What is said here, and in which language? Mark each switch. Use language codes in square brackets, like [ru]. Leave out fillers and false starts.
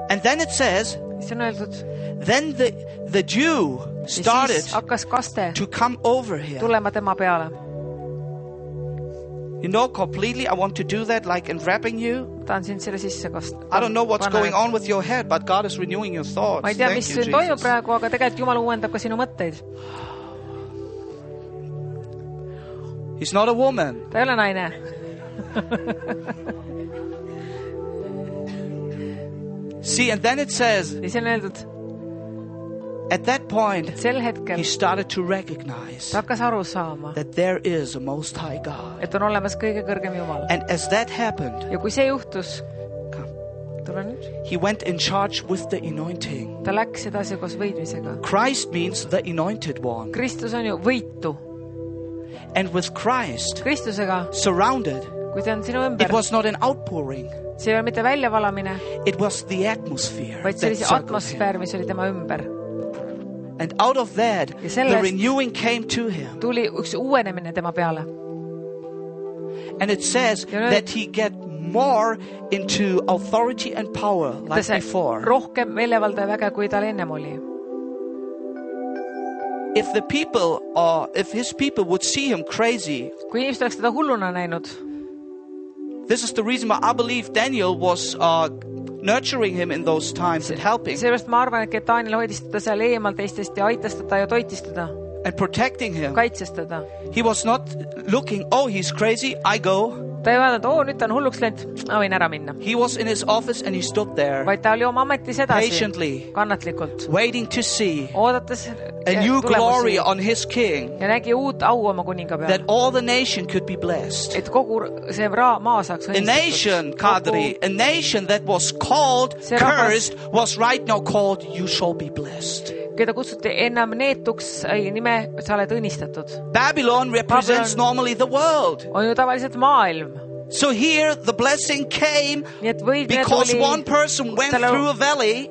[en] And then it says then the Jew started to come over here. [et] Tulema tema peale. [en] You know, completely, I want to do that, like enwrapping you. I don't know what's going on with your head, but God is renewing your thoughts. [et] Ma ei tea, mis siin toimub praegu, aga tegelikult Jumal uuendab ka sinu mõtteid. [en] He's not a woman. [et] Ta ei ole naine. [en] See, and then it says, at that point, [et] sel hetkel, [en] he started to recognize that there is a Most High God. [et] Et on olemas kõige kõrgem Jumal. [en] And as that happened, [et] ja kui see juhtus, [en] he went in charge with the anointing. [et] Ta läks edasi koos võidmisega. [en] Christ means the anointed one. [et] Kristus on ju võitu. [en] And with Christ [et] Kristusega, [en] surrounded, [et] kui ta on sinu ümber, [en] it was not an outpouring. [et] See ei ole mitte väljavalamine. [en] It was the atmosphere. [et] Vaid see oli see atmosfäär, mis oli tema ümber. [en] And out of that, the renewing came to him. [et] Tuli üks uuenemine tema peale. [en] And it says that he get more into authority and power like before. [et] Rohkem meelevalda väga kui tal ennem oli. [en] If the people are, if his people would see him crazy. [et] Kui inimesed oleks teda hulluna näinud. [en] This is the reason why I believe Daniel was nurturing him in those times and helping. [et] Sellest ma arvan, et Daniel hoidis teda seal eemal teistest ja aitas teda ja toitis teda. [en] And protecting him. [et] Kaitses teda. [en] He was not looking, oh, he's crazy, I go. [et] Ta ei vaadanud, oh, nüüd ta on hulluks lent, ma võin ära minna. [en] He was in his office and he stood there. [et] Vaid ta oli oma ametis edasi. [en] Patiently. [et] Kannatlikult. [en] Waiting to see. [et] Oodates [en] a new glory on his king. [et] Ja nägi uut au oma kuninga peal. [en] That all the nation could be blessed. [et] Et kogu see raa maa saaks õnnistatud. [en] A nation, Kadri, a nation that was called cursed was right now called you shall be blessed. [et] Keda kutsuti ennem neetuks nime, sa oled õnnistatud. [en] Babylon represents normally the world. [et] On ju tavaliselt maailm. [en] So here the blessing came because one person went through a valley.